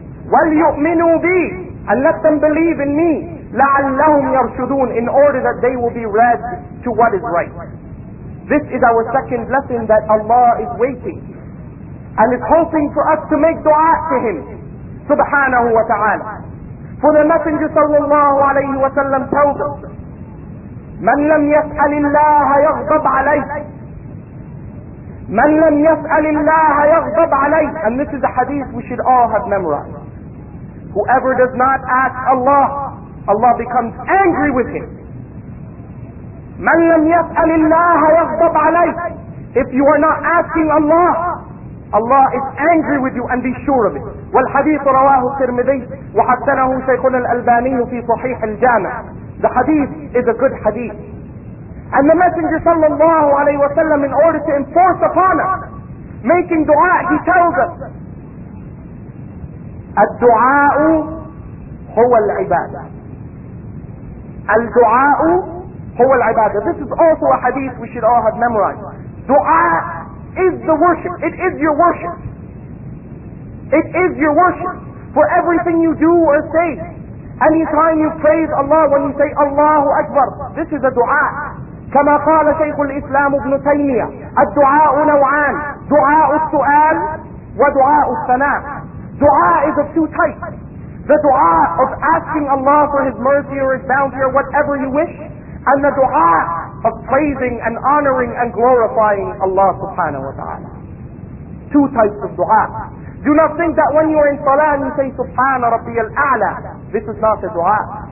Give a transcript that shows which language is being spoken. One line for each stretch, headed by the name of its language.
Arabic: وَلْيُؤْمِنُوا بِي,
English: and let them believe in me.
Arabic: لَعَلَّهُمْ يَرْشُدُونَ,
English: in order that they will be led to what is right. This is our second lesson, that Allah is waiting and is hoping for us to make dua to Him, subhanahu wa ta'ala. For the Messenger sallallahu alayhi wa sallam tells us,
Arabic: مَنْ لَمْ يَسْأَلِ اللَّهَ يَغْضَبْ عَلَيْهِ, مَنْ لَمْ يَسْأَلِ اللَّهَ يَغْضَبْ عَلَيْهِ.
English: And this is a hadith we should all have memorized. Whoever does not ask Allah, Allah becomes angry with him.
Arabic: مَنْ لَمْ يَسْأَلِ اللَّهَ يَغْضَبْ عَلَيْهِ,
English: If you are not asking Allah, Allah is angry with you, and be sure of it.
Arabic: والحديث رواه الترمذي وحسنه شيخنا الألباني في صحيح الجامع.
English: The hadith is a good hadith. And the Messenger sallallahu alayhi wa sallam, in order to enforce upon us making dua, he tells us,
Arabic: الدُعَاءُ هُوَ الْعِبَادَةِ. الدُعَاءُ هُوَ الْعِبَادَةِ.
English: This is also a hadith we should all have memorized. Dua is the worship. It is your worship. It is your worship for everything you do or say. Anytime you praise Allah, when you say Allahu Akbar, this is a dua.
Arabic: كما قال شيخ الإسلام ابن تيمية الدعاء نوعان دعاء السؤال ودعاء الثناء.
English: دعاء is of two types. The دعاء of asking Allah for His mercy or His bounty or whatever you wish, and the دعاء of praising and honoring and glorifying Allah subhanahu wa ta'ala. Two types of دعاء. Do not think that when you are in salah and you say
Arabic: سبحان ربي الأعلى,
English: this is not a دعاء.